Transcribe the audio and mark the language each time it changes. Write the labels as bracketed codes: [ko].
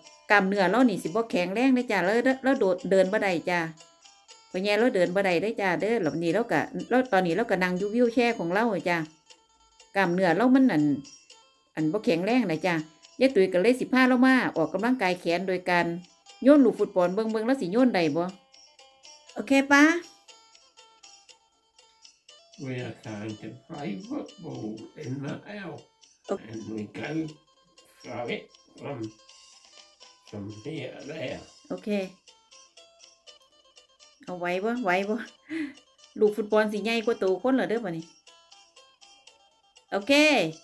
[th] กล้ามเนื้อเรานี่สิบ่แข็งแรงเด้อจ้าเราโดดเดินบ่ได้จ้าพ่อใหญ่เราเดินบ่ได้เด้อจ้าเด้อแล้วปานนี้เราก็แล้วตอนนี้เราก็นั่งอยู่วิวแชร์ของเราจ้ากล้ามเนื้อเรามันอันบ่แข็งแรงนะจ้ายายตุ๋ยก็เลยสิพาเรามาออกกําลังกายแขนโดยการโยนลูกฟุตบอลเบิ่งๆแล้วสิโยนได้บ่โอเคป้า [en] We are going to play football in the house, okay. And we go throw it from here to there. Okay. [th] เอาไว้บ่ไว้บ่ลูกฟุตบอลสิใหญ่กว่าตัวคนเหรอเด้อบ่นี่ Okay.